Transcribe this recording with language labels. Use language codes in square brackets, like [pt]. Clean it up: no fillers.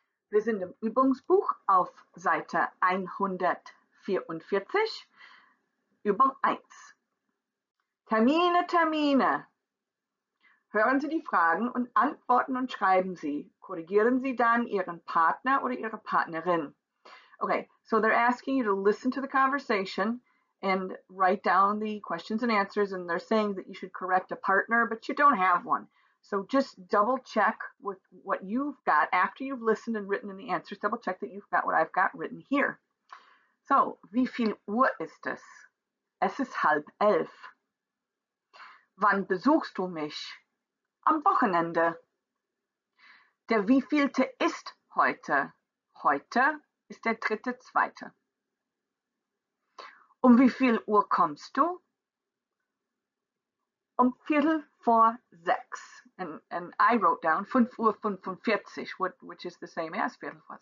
[de] Wir sind im Übungsbuch auf Seite 144, Übung 1. Termine, Termine. Hören Sie die Fragen und Antworten und schreiben Sie. Korrigieren Sie dann Ihren Partner oder Ihre Partnerin. [en] Okay, so they're asking you to listen to the conversation and write down the questions and answers, and they're saying that you should correct a partner, but you don't have one. So just double check with what you've got after you've listened and written in the answers. Double check that you've got what I've got written here. [de] So, wie viel Uhr ist es? Es ist 10:30. Wann besuchst du mich? Am Wochenende. Der wievielte ist heute? Heute ist der 3.2. Um wie viel Uhr kommst du? Um 6:15. [en] And I wrote down 5:45, which is the same as 6:15.